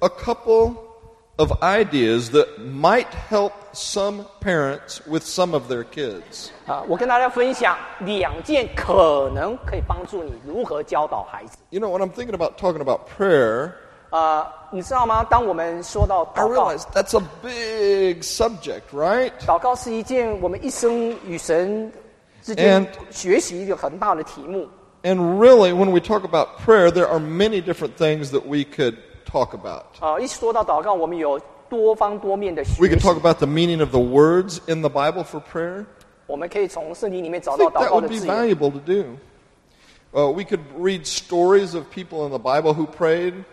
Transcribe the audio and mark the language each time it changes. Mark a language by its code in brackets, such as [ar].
[en] A couple of ideas that might help some parents with some of their kids. [zh] 我跟大家分享两件可能可以帮助你如何教导孩子。 [en] You know, when I'm thinking about talking about prayer. [zh] 你知道吗？当我们说到祷告 [en] I realize that's a big subject, right? [zh] 祷告是一件我们一生与神之间学习一个很大的题目。 [en] And really, when we talk about prayer, there are many different things that we could talk about. [zh] 一说到祷告，我们有多方多面的学习。 [en] We can talk about the meaning of the words in the Bible for prayer. [zh] 我们可以从圣经里面找到祷告的字眼。 [en] That would be valuable to do. We could read stories of people in the Bible who prayed.